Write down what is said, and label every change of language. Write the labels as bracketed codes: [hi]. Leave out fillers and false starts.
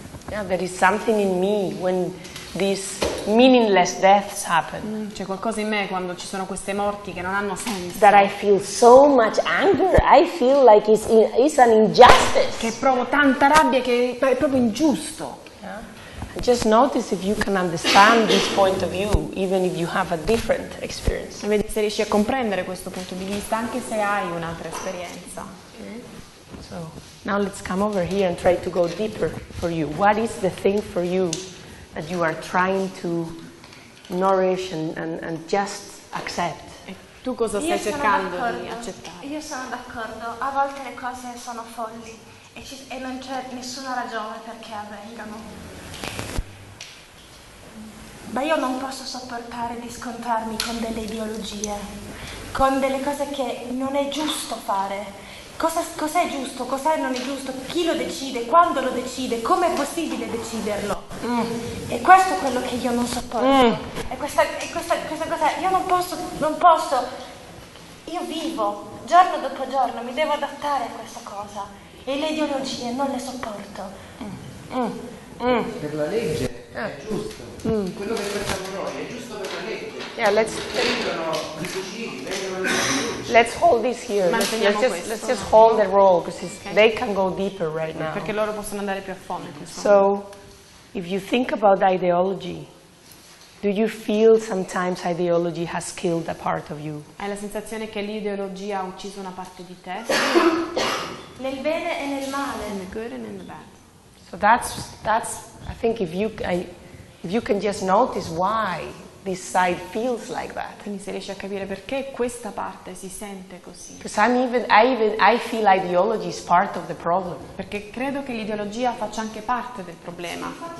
[en] Yeah, there is something in me when these meaningless deaths happen. [it] C'è qualcosa in me quando ci sono queste morti che non hanno senso. [en] That I feel so much anger. I feel like it's an injustice. [it] Che provo tanta rabbia che è proprio ingiusto. [en] Yeah. Just notice if you can understand this point of view, even if you have a different experience. [it] Vedi se riesci a comprendere questo punto di vista anche se hai un'altra esperienza. [en] So now let's come over here and try to go deeper for you. What is the thing for you that you are trying to nourish and just accept? [it] E tu cosa stai cercando di accettare? Io sono d'accordo. A volte le cose sono folli e non c'è nessuna ragione perché avvengano. Ma io non posso sopportare di scontrarmi con delle ideologie, con delle cose che non è giusto fare. Cos'è giusto? Cos'è non è giusto? Chi lo decide? Quando lo decide? Come è possibile deciderlo? E questo è quello che io non sopporto. E questa cosa, io non posso. Io vivo, giorno dopo giorno, mi devo adattare a questa cosa. E le ideologie non le sopporto. Per la legge è giusto. Quello che pensiamo noi è giusto per la legge. [en] Yeah, let's. Let's hold this here. Let's just hold the role because okay. They can go deeper right now. [it] Perché loro possono andare più a fondo. [en] So, if you think about ideology, do you feel sometimes ideology has killed a part of you? [it] Hai la sensazione che l'ideologia ha ucciso una parte di te? Nel bene e nel male. [en] In the good and in the bad. So that's. I think if you can just notice why. This side feels like that. [it] Quindi se riesci a capire perché questa parte si sente così. [en] Because I feel ideology is part of the problem. [it] Perché credo che l'ideologia faccia anche parte del problema.